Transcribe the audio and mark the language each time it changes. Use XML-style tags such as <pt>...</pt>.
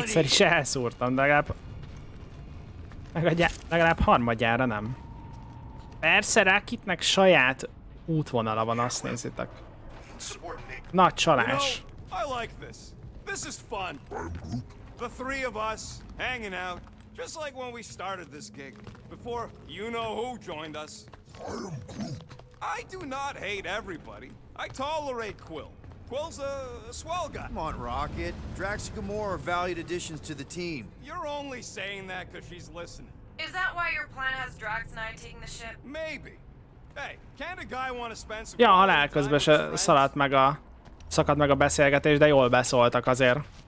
<hu>Kétszer is elszúrtam, legalább... Legalább harmadjára nem. Persze Rakitnek saját útvonala van, azt nézitek. Nagy csalás.</hu> <en>You know, I like this. This is fun. The three of us, hanging out, just like when we started this gig, before you-know-who joined us. I am Quill. I do not hate everybody. I tolerate Quill. Quill's a swell guy. Come on, Rocket. Drax and Gamora are valued additions to the team. You're only saying that because she's listening. Is that why your plan has Drax and I taking the ship? Maybe. Hey, can't a guy want to spend some time with friends?</en> <hu>Ja, halál közben szakadt meg a beszélgetés, de jól beszóltak azért.</hu>